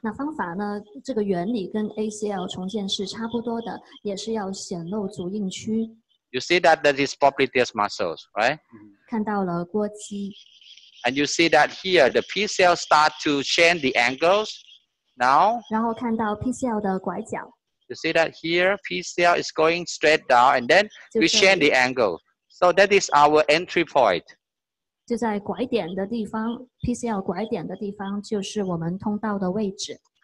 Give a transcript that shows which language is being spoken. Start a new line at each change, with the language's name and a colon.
Chinese: 那方法呢，这个原理跟 ACL 重建是差不多的，也是要显露足印区。
English: You see that that is popliteus muscles, right?
Chinese: 看到了腘肌。
English: And you see that here the PCL start to change the angles now.
Chinese: 然后看到 PCL 的拐角。
English: You see that here PCL is going straight down and then we change the angle. So that is our entry point.
Chinese: 就在拐点的地方, PCL 拐点的地方就是我们通道的位置。